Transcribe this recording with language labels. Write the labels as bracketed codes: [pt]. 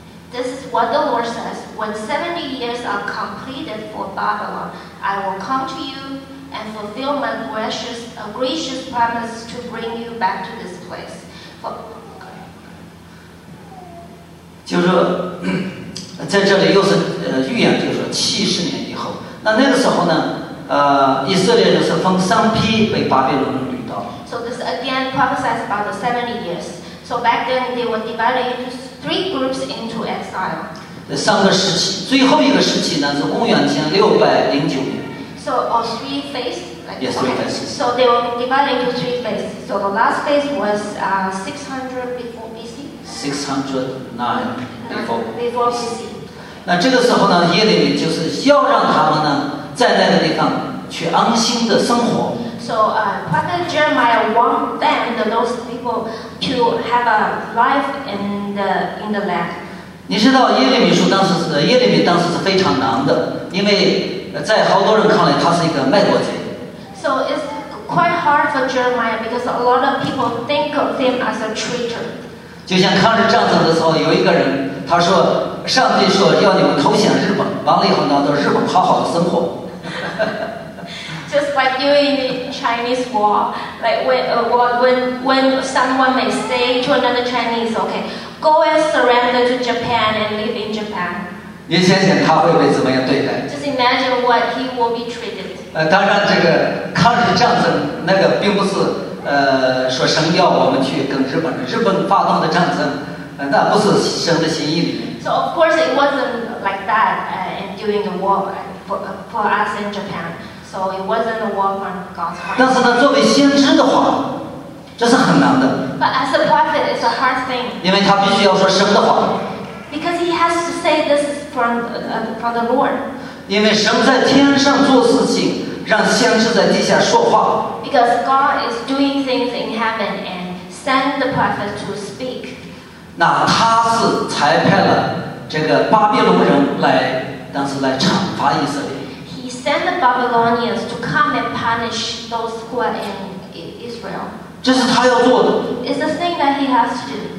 [en] This is what the Lord says. When 70 years are completed for Babylon, I will come to you and fulfill my gracious promise to bring you back to this place. For, okay. [zh] 就是在这里又是预言，就是七十年以后。那个时候呢，以色列就是分三批被巴比伦掳到。 [en] So this again prophesies about the 70 years. So back then they were divided into three groups into exile. [zh] 这三个时期，最后一个时期呢是公元前609年。 [en] So all three phases. Like, yes, three phases. So they were divided into three phases. So the last phase was 600 before BC. 609 before BC. [zh] 那这个时候呢，耶利米就是要让他们呢在那个地方去安心的生活。 [en] So Prophet Jeremiah want them, those people, to have a life in the land. [zh] 你知道耶利米当时是非常难的，因为在好多人看来他是一个卖国贼。 [en] So it's quite hard for Jeremiah because a lot of people think of him as a traitor. [zh] 就像抗日战争的时候，有一个人他说，上帝说要你们投降日本，完了以后呢，到日本好好的生活。 [en] Just like during the Chinese War, like when someone may say to another Chinese, okay, go and surrender to Japan and live in Japan. [zh] 你想想他会被怎么样对待 [en] ？Just imagine what he will be treated. [zh] 当然，这个抗日战争那个并不是说神要我们去跟日本发动的战争，那不是神的心意。 [en] So of course it wasn't like that during the war for us in Japan. So it wasn't a war from God's heart. [zh] 但是呢，作为先知的话，这是很难的。 [en] But as a prophet, it's a hard thing. [zh] 因为他必须要说神的话。 [en] Because he has to say this from the Lord. [zh] 因为神在天上做事情。让先知在地下说话。 [en] Because God is doing things in heaven and send the prophet to speak. [zh] 那他是裁派了这个巴比伦人来，当时来惩罚以色列。 [en] He sent the Babylonians to come and punish those who are in Israel. [zh] 这是他要做的。 [en] It's the thing that he has to do.